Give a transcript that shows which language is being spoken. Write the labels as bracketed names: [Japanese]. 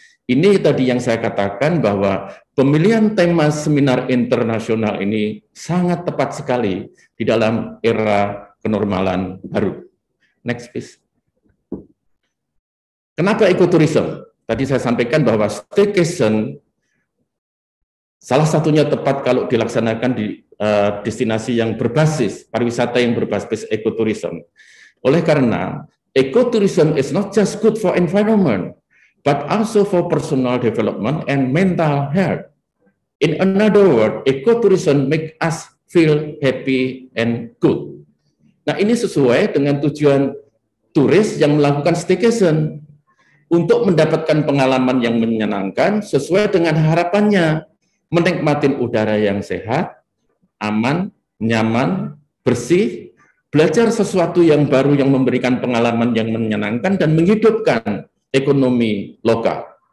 [Indonesian] Ini tadi yang saya katakan bahwa pemilihan tema seminar internasional ini sangat tepat sekali di dalam era kenormalan baru. [English] Next, please. [Indonesian] Kenapa ekoturism? Tadi saya sampaikan bahwa staycation salah satunya tepat kalau dilaksanakan di destinasi yang berbasis, pariwisata yang berbasis ekoturism. Oleh karena, [English] ekoturism is not just good for environment, but also for personal development and mental health. In another word, ecotourism make us feel happy and good. [Indonesian] Nah, ini sesuai dengan tujuan turis yang melakukan staycation untuk mendapatkan pengalaman yang menyenangkan sesuai dengan harapannya menikmati udara yang sehat, aman, nyaman, bersih, belajar sesuatu yang baru yang memberikan pengalaman yang menyenangkan dan menghidupkan ekonomi lokal.